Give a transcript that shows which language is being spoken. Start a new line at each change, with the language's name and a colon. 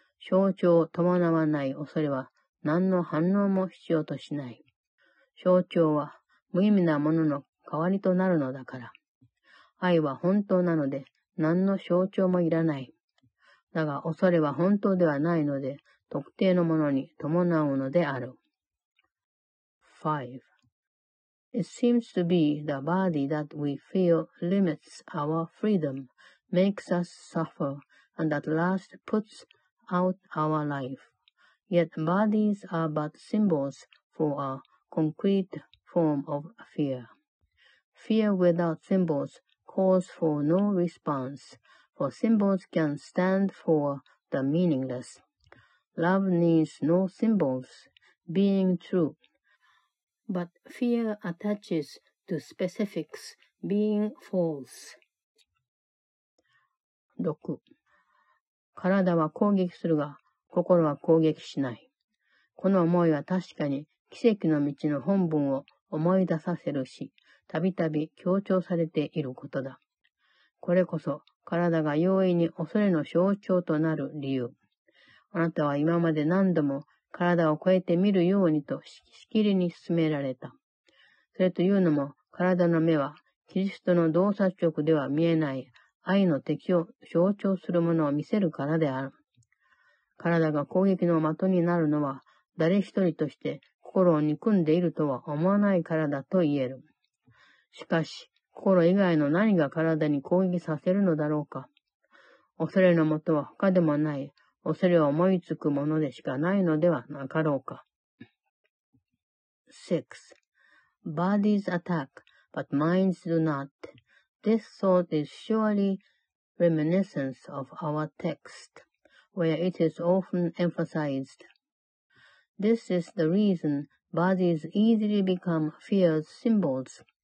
Japanese: 象徴を伴わない恐れは何の反応も必要としない。象徴は無意味なものの代わりとなるのだから。愛は本当なので、何の象徴もいらない。だが恐れは本当ではないので、特定のものに伴うのである。 5.
English: It seems to be the body that we feel limits our freedom, makes us suffer, and at last puts out our life. Yet bodies are but symbols for a concrete form of fear. Fear without symbols. Calls for no response, for symbols can stand for the meaningless. Love needs no symbols, being true. But fear attaches to specifics, being false. 6.
Japanese: 体は攻撃するが、心は攻撃しない。この思いは確かに奇跡の道の本文を思い出させるし、たびたび強調されていることだ。これこそ体が容易に恐れの象徴となる理由。あなたは今まで何度も体を超えて見るようにとしきりに勧められた。それというのも体の目はキリストの洞察直では見えない愛の敵を象徴するものを見せるからである。体が攻撃の的になるのは誰一人として心を憎んでいるとは思わないからだと言える。しかし、心以外の何が体に攻撃させるのだろうか。恐れのもとは他でもない、恐れを思いつくものでしかないのではなかろうか。 6.
English: Bodies attack, but minds do not. This thought is surely reminiscence of our text, where it is often emphasized. This is the reason bodies easily become fear's symbols.